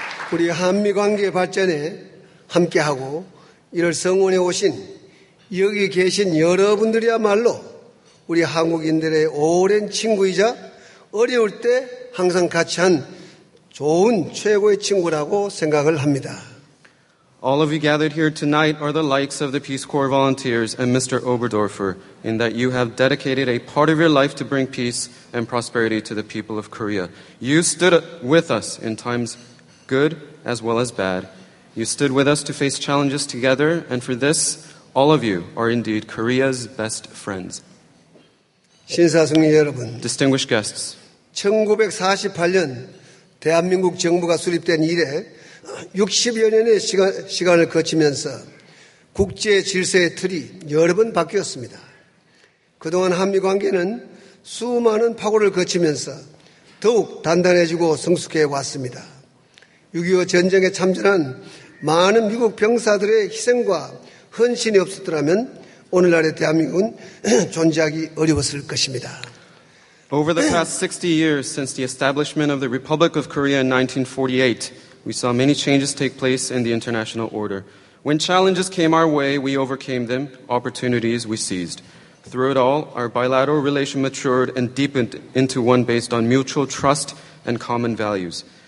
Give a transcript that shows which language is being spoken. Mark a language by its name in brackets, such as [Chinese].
[English] Our [Korean] 한미 관계 발전에 함께하고 이를 성원해 오신 여기 계신 여러분들이야말로 우리 한국인들의 오랜 친구이자 어려울 때 항상 같이 한 좋은 최고의 친구라고 생각을 합니다. [English] All of you gathered here tonight are the likes of the Peace Corps volunteers and Mr. Oberdorfer in that you have dedicated a part of your life to bring peace and prosperity to the people of Korea. You stood with us in times good as well as bad. You stood with us to face challenges together, and for this, all of you are indeed Korea's best friends. [Korean] 신사숙녀 여러분, [English] distinguished guests, [Korean] 1948년 대한민국 정부가 수립된 이래 60여 년의 시간을 거치면서 국제 질서의 틀이 여러 번 바뀌었습니다. 그동안 한미 관계는 수많은 파고를 거치면서 더욱 단단해지고 성숙해 왔습니다. 6.25 전쟁에 참전한 많은 미국 병사들의 희생과 헌신이 없었더라면 오늘날의 대한민국은 존재하기 어려웠을 것입니다. [English] Over the past 60 years since the establishment of the Republic of Korea in 1948, we saw many changes take place in the international order. When challenges came our way, we overcame them. Opportunities we seized. Through it all, our bilateral relation matured and deepened into one based on mutual trust and common values.